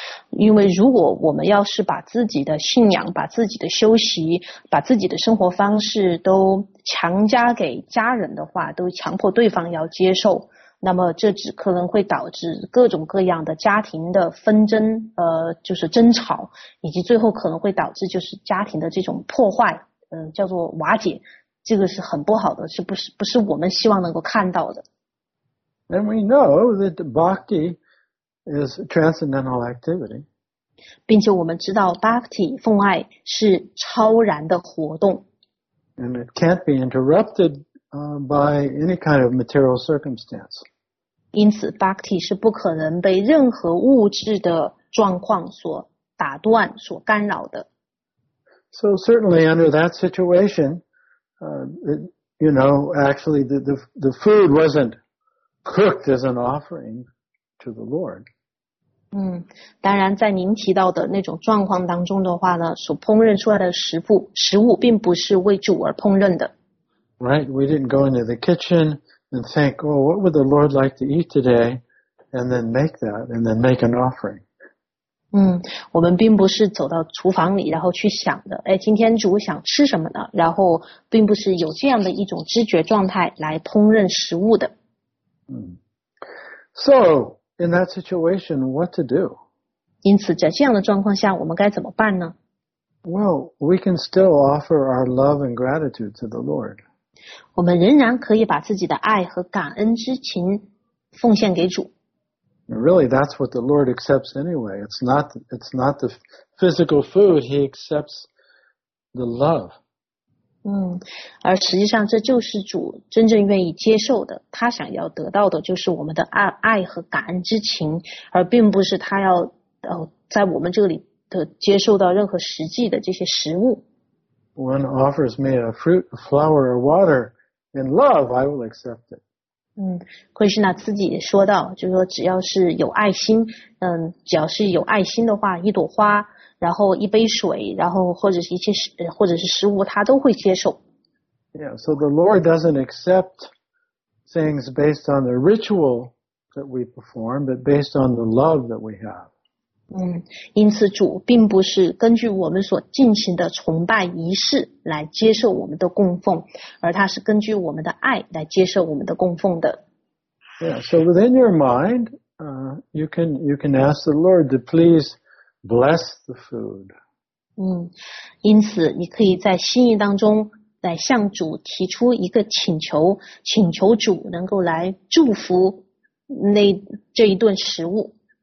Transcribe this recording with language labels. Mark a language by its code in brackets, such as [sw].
[zh] 因为如果我们要是把自己的信仰、把自己的修习、把自己的生活方式都强加给家人的话，都强迫对方要接受，那么这只可能会导致各种各样的家庭的纷争，就是争吵，以及最后可能会导致就是家庭的这种破坏，叫做瓦解，这个是很不好的，是不是我们希望能够看到的。 [en] And we know that bhakti is transcendental activity. [zh] 并且我们知道 bhakti 奉爱是超然的活动。 [en] And it can't be interrupted by any kind of material circumstance. [zh] 因此 bhakti 是不可能被任何物质的状况所打断、所干扰的。 [en] So certainly under that situation,actually the food wasn't cooked as an offering. to the Lord. [zh] 当然在您提到的那种状况当中的话呢，所烹饪出来的食物并不是为主而烹饪的。 [en] Right, we didn't go into the kitchen and think, oh, what would the Lord like to eat today? And then make that, and then make an offering. [zh] 我们并不是走到厨房里然后去想的，哎，今天主想吃什么呢？然后并不是有这样的一种知觉状态来烹饪食物的。 [en] So, in that situation, what to do? [zh] 因此在这样的状况下我们该怎么办呢？ [en] Well, we can still offer our love and gratitude to the Lord. [zh] 我们仍然可以把自己的爱和感恩之情奉献给主。 [en] Really, that's what the Lord accepts anyway. It's not the physical food. He accepts the love. [zh] 而实际上这就是主真正愿意接受的。他想要得到的就是我们的爱和感恩之情，而并不是他要在我们这里的接受到任何实际的这些食物。 [en] One offers me a fruit, a flower, or water in love, I will accept it. [zh] 奎士纳自己说到，就是说只要是有爱心，只要是有爱心的话，一朵花，然后一杯水，然后或者是一些或者是食物，他都会接受。 [en] Yeah, so the Lord doesn't accept things based on the ritual that we perform, but based on the love that we have. [zh] 因此主并不是根据我们所进行的崇拜仪式来接受我们的供奉，而他是根据我们的爱来接受我们的供奉的。 [en] Yeah, so within your mind, you can ask the Lord to please bless the food. [zh] 因此你可以在心意当中来向主提出一个请求，请求主能够来祝福那这一顿食物。